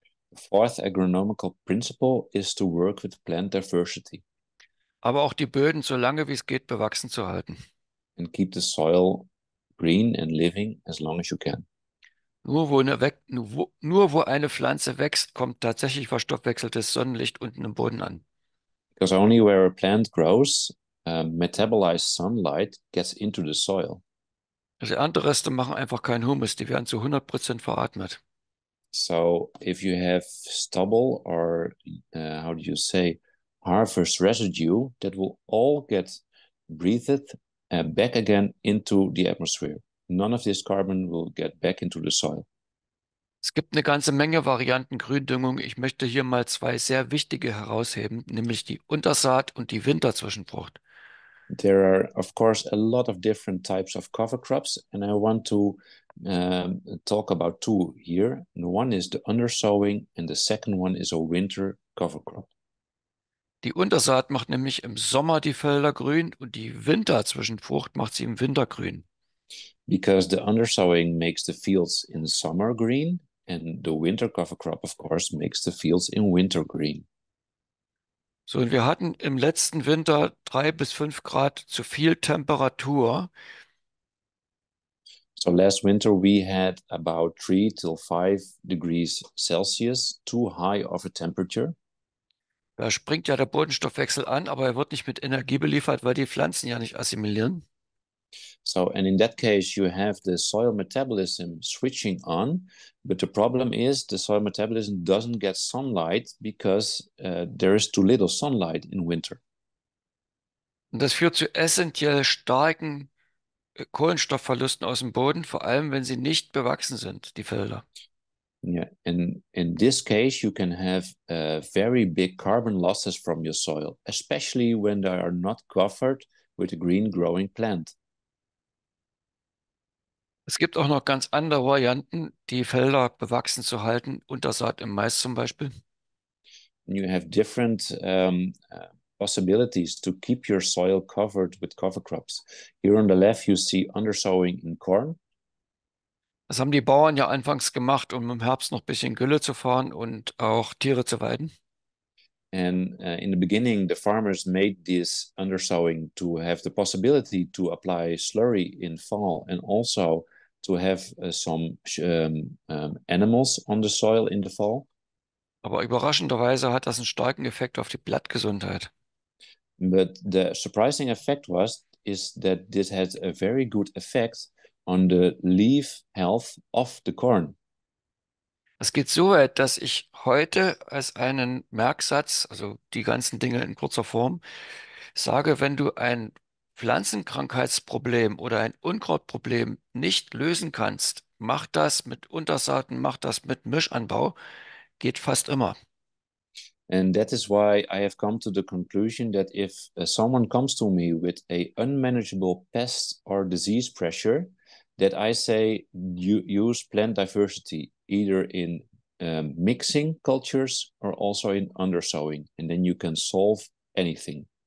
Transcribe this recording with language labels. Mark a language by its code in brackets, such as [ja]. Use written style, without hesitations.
[en] The fourth agronomical principle is to work with plant diversity. [de] Aber auch die Böden so lange wie es geht bewachsen zu halten. [en] And keep the soil green and living as long as you can. [de] Nur wo eine Pflanze wächst, kommt tatsächlich verstoffwechseltes Sonnenlicht unten im Boden an. [en] Because only where a plant grows, metabolized sunlight gets into the soil. [de] Also Erntereste machen einfach keinen Humus, die werden zu 100% veratmet. [en] So if you have stubble or how do you say, harvest residue, that will all get breathed back again into the atmosphere. None of this carbon will get back into the soil. [de] Es gibt eine ganze Menge Varianten Gründüngung. Ich möchte hier mal zwei sehr wichtige herausheben, nämlich die Untersaat und die Winterzwischenfrucht. [en] There are, of course, a lot of different types of cover crops, and I want to talk about two here. And one is the undersowing, and the second one is a winter cover crop. [de] Die Untersaat macht nämlich im Sommer die Felder grün und die Winterzwischenfrucht macht sie im Winter grün. [en] Because the undersowing makes the fields in summer green and the winter cover crop, of course, makes the fields in winter green. [de] So, und wir hatten im letzten Winter 3 bis 5 Grad zu viel Temperatur. [en] So last winter we had about 3 to 5 degrees Celsius, too high of a temperature. [de] Da springt ja der Bodenstoffwechsel an, aber er wird nicht mit Energie beliefert, weil die Pflanzen ja nicht assimilieren. [en] So, and in that case, you have the soil metabolism switching on, but the problem is the soil metabolism doesn't get sunlight because there is too little sunlight in winter. [de] Und das führt zu essentiell starken Kohlenstoffverlusten aus dem Boden, vor allem wenn sie nicht bewachsen sind, die Felder. [en] Yeah, and in this case, you can have very big carbon losses from your soil, especially when they are not covered with a green growing plant. [de] Es gibt auch noch ganz andere Varianten, die Felder bewachsen zu halten, Untersaat im Mais zum Beispiel. [en] You have different possibilities to keep your soil covered with cover crops. Here on the left, you see undersowing in corn. [de] Das haben die Bauern ja anfangs gemacht, um im Herbst noch ein bisschen Gülle zu fahren und auch Tiere zu weiden. [en] And in the beginning, the farmers made this undersowing to have the possibility to apply slurry in fall and also to have some animals on the soil in the fall. [de] Aber überraschenderweise hat das einen starken Effekt auf die Blattgesundheit. [en] But the surprising effect is that this has a very good effect on the leaf health of the corn. [de] Es geht so weit, dass ich heute als einen Merksatz, also die ganzen Dinge in kurzer Form, sage, wenn du ein Pflanzenkrankheitsproblem oder ein Unkrautproblem nicht lösen kannst, mach das mit Untersaaten, mach das mit Mischanbau, geht fast immer. [en] And that is why I have come to the conclusion that if someone comes to me with a unmanageable pest or disease pressure, that I say use plant diversity, either in mixing cultures or also in undersowing, and then you can solve anything.